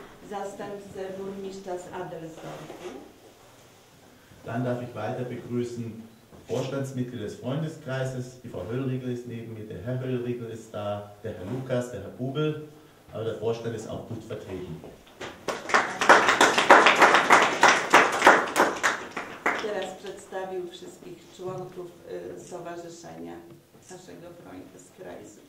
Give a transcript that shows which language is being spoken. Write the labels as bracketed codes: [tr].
[pl] Zastępca burmistrza z Adelsdorfu. [de] Dann darf ich weiter begrüßen Vorstandsmitglieder des Freundeskreises. Die Frau Höllriegel ist neben mir, der Herr Höllriegel ist da, der Herr Lukas, der Herr Bubel. Aber der Vorstand ist auch gut vertreten. [pl] Teraz przedstawił wszystkich członków stowarzyszenia naszego Freundeskreisu.